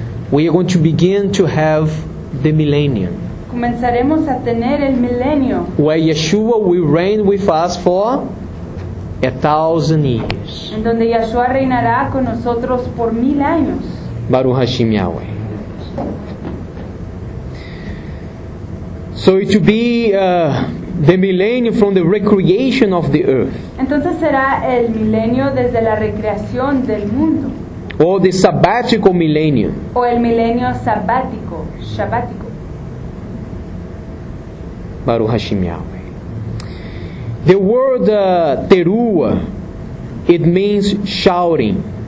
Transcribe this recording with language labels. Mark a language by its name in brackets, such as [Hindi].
[English] We are going to begin to have the millennium. [Spanish] Comenzaremos a tener el milenio. [English] Where Yeshua will reign with us for 1,000 years. [Spanish] En donde Yeshua reinará con nosotros por 1,000 años. [Hebrew] Baruch Hashem Yahweh. [English] So it will be the millennium from the recreation of the earth. [Spanish] Entonces será el milenio desde la recreación del mundo. [English] Or the sabbatical millennium. [Spanish] O el milenio sabbático, shabbatico. [Hebrew] Baruch Hashem Yahweh. [English] The word teruah, it means shouting.